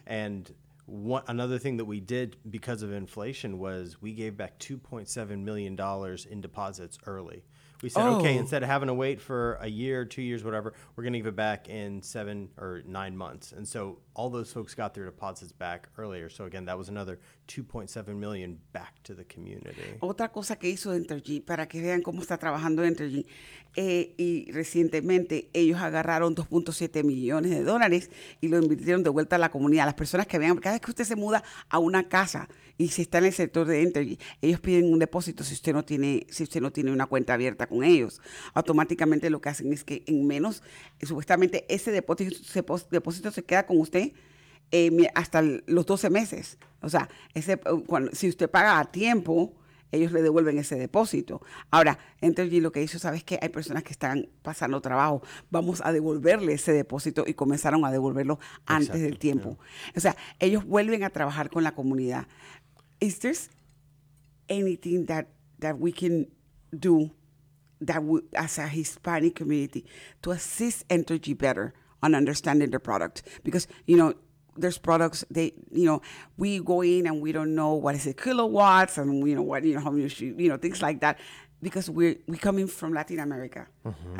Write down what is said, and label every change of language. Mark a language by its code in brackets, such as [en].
[en] And one, another thing that we did because of inflation was we gave back $2.7 million in deposits early. We said, okay, instead of having to wait for a year, 2 years, whatever, we're going to give it back in 7 or 9 months. And so all those folks got their deposits back earlier. So again, that was another $2.7 million back to the community. [es] Otra cosa que hizo Entergy, para que vean cómo está trabajando Entergy, y recientemente ellos agarraron $2.7 millones y lo invirtieron de vuelta a la comunidad. Las personas que vean, cada vez que usted se muda a una casa y si está en el sector de Entergy, ellos piden un depósito si usted no tiene, si usted no tiene una cuenta abierta con ellos. Automáticamente lo que hacen es que en menos, supuestamente ese depósito se queda con usted hasta los 12 meses. O sea, ese, cuando, si usted paga a tiempo, ellos le devuelven ese depósito. Ahora, Entergy lo que hizo, ¿sabes qué? Hay personas que están pasando trabajo. Vamos a devolverle ese depósito y comenzaron a devolverlo antes del tiempo. Yeah. O sea, ellos vuelven a trabajar con la comunidad. [en] Is there anything that we can do as a Hispanic community to assist Entergy better on understanding the product? Because, you know, there's products they, you know, we go in and we don't know what is a kilowatts and, you know, what, you know, how much, you know, things like that, because we come in from Latin America. Mm-hmm.